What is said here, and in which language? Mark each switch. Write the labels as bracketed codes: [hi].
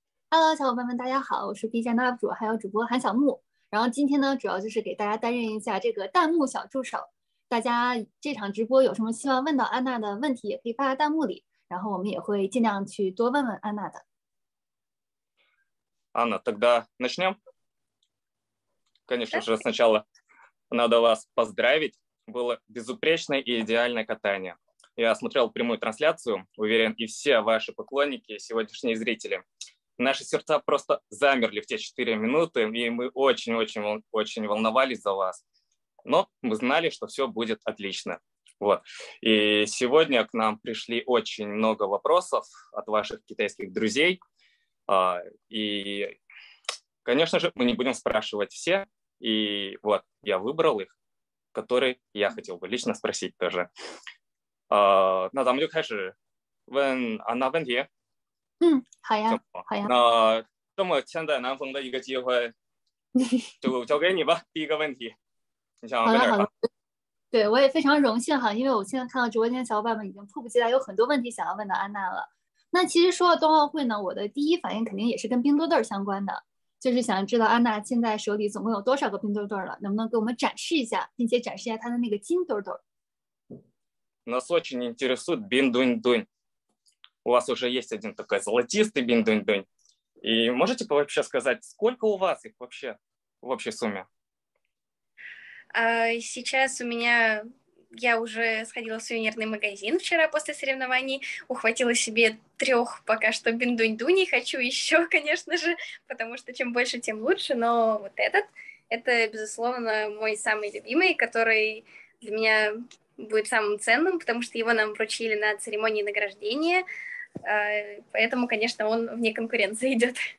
[en] Hello， [zh] 小伙伴们，大家好，我是 B 站的 UP 主，还有主播韩小木。然后今天呢，主要就是给大家担任一下这个弹幕小助手。大家这场直播有什么希望问到安娜的问题，也可以发在弹幕里，然后我们也会尽量去多问问安娜的。 [ru] Анна, тогда начнем. Конечно же, сначала надо вас поздравить. Было безупречное и идеальное катание. Я смотрел прямую трансляцию, уверен, и все ваши поклонники, сегодняшние зрители. Наши сердца просто замерли в те 4 минуты, и мы очень-очень-очень волновались за вас. Но мы знали, что все будет отлично. Вот. И сегодня к нам пришли очень много вопросов от ваших китайских друзей. И, конечно же, мы не будем спрашивать все. И вот я выбрал их, которые я хотел бы лично спросить тоже. На самом деле, конечно, вен она вен те. [zh] 好呀，好呀。那这么千载难逢的一个机会，就交给你吧。第一个问题，你 想好问的，点好啥？的。对，我也非常荣幸哈，因为我现在看到直播间小伙伴们已经迫不及待，有很多问题想要问到安娜了。那其实说到冬奥会呢，我的第一反应肯定也是跟冰墩墩相关的，就是想知道安娜现在手里总共有多少个冰墩墩了，能不能给我们展示一下，并且展示一下她的那个金墩墩。 [ru] Нас очень интересует биндунь-дунь. У вас уже есть один такой золотистый биндунь-дунь. И можете вообще сказать, сколько у вас их вообще в общей сумме? Сейчас у меня, я уже сходила в сувенирный магазин вчера после соревнований, ухватила себе трех пока что биндунь-дуней, хочу еще, конечно же, потому что чем больше, тем лучше, но вот этот, это, безусловно, мой самый любимый, который для меня будет самым ценным, потому что его нам вручили на церемонии награждения, поэтому, конечно, он вне конкуренции идет.